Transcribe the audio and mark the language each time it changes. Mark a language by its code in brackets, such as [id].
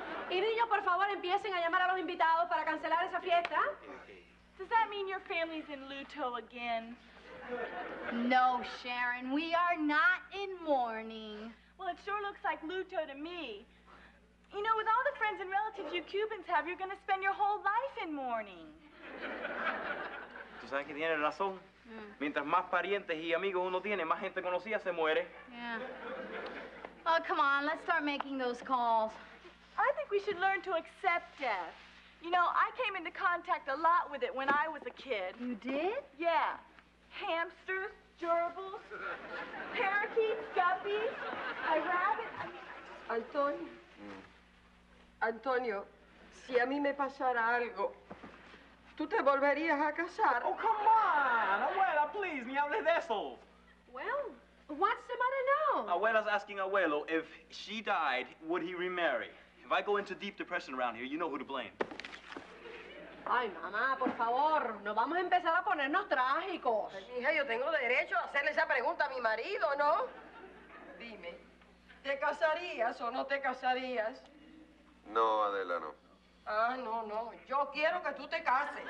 [es] Y niños, por favor, empiecen a llamar a los invitados para cancelar esa fiesta. [en] Does that mean your family's in luto again? No, Sharon, we are not in mourning. Well, it sure looks like luto to me. You know, with all the friends and relatives you Cubans have, you're going to spend your whole life in mourning. [es] Tú sabes que tienes razón. Mientras más parientes y amigos uno tiene, más gente conocida se muere. [en] Yeah. Oh, come on, let's start making those calls. I think we should learn to accept death. You know, I came into contact a lot with it when I was a kid. You did? Yeah. Hamsters, gerbils, parakeets, guppies, a rabbit. Antonio. [es] Antonio, si a mí me pasara algo, ¿tú te volverías a casar? [en] Oh, come on! Abuela, please, [es] ni hable de eso. [en] Well, what's the matter now? Abuela's asking Abuelo, if she died, would he remarry? If I go into deep depression around here, you know who to blame. [es] Ay, mamá, por favor, no vamos a empezar a ponernos trágicos. Hija, yo tengo derecho a hacerle esa pregunta a mi marido, ¿no? Dime, ¿te casarías o no te casarías? No, Adela, no. Ah, no, no. Yo quiero que tú te cases.